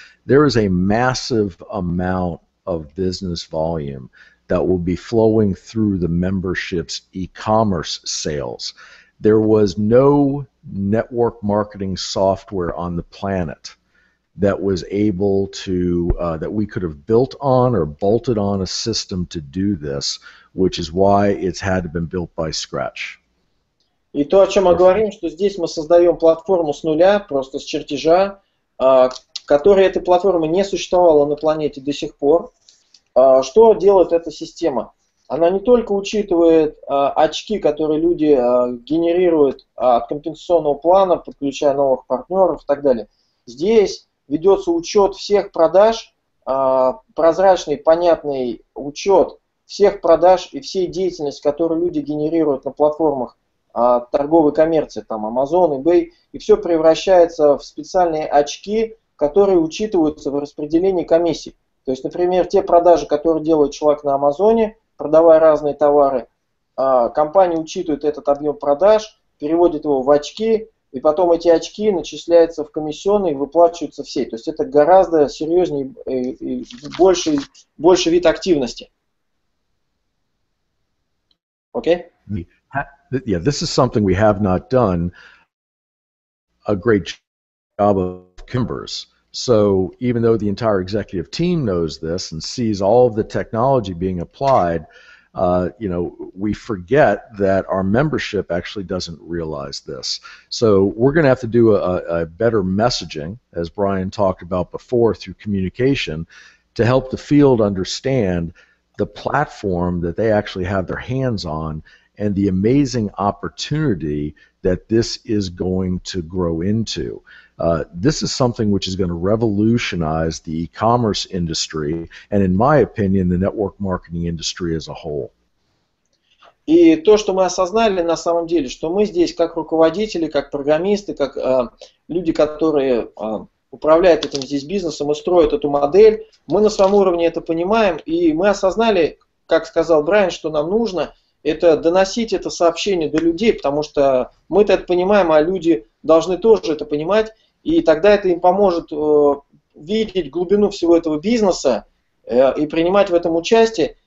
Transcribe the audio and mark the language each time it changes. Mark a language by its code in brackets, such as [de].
[en] there is a massive amount of business volume that will be flowing through the membership's e-commerce sales. There was no network marketing software on the planet that was able to that we could have built on or bolted on a system to do this, which is why it's had to been built by scratch. [ru] И то, о чем мы говорим, что здесь мы создаем платформу с нуля, просто с чертежа, которой этой платформы не существовало на планете до сих пор. Что делает эта система? Она не только учитывает очки, которые люди генерируют от компенсационного плана, подключая новых партнеров и так далее. Здесь ведется учет всех продаж, прозрачный, понятный учет всех продаж и всей деятельности, которую люди генерируют на платформах торговой коммерции, там Amazon, eBay, и все превращается в специальные очки, которые учитываются в распределении комиссий. То есть, например, те продажи, которые делает человек на Амазоне, продавая разные товары, компания учитывает этот объем продаж, переводит его в очки, и потом эти очки начисляются в комиссионные и выплачиваются всей. То есть это гораздо серьезнее и больше вид активности. Окей? [en] Okay? Yeah, this is something we have not done a great job of Kimbers. So even though the entire executive team knows this and sees all of the technology being applied, you know, we forget that our membership actually doesn't realize this. So we're going to have to do a better messaging, as Brian talked about before, through communication to help the field understand the platform that they actually have their hands on and the amazing opportunity that this is going to grow into. This is something which is going to revolutionize the e-commerce industry and, in my opinion, the network marketing industry as a whole. [ru] И то, что мы осознали на самом деле, что мы здесь как руководители, как программисты, как люди, которые управляют этим здесь бизнесом и строят эту модель, мы на своем уровне это понимаем, и мы осознали, как сказал Брайан, что нам нужно это доносить это сообщение до людей, потому что мы-то это понимаем, а люди должны тоже это понимать, и тогда это им поможет видеть глубину всего этого бизнеса и принимать в этом участие.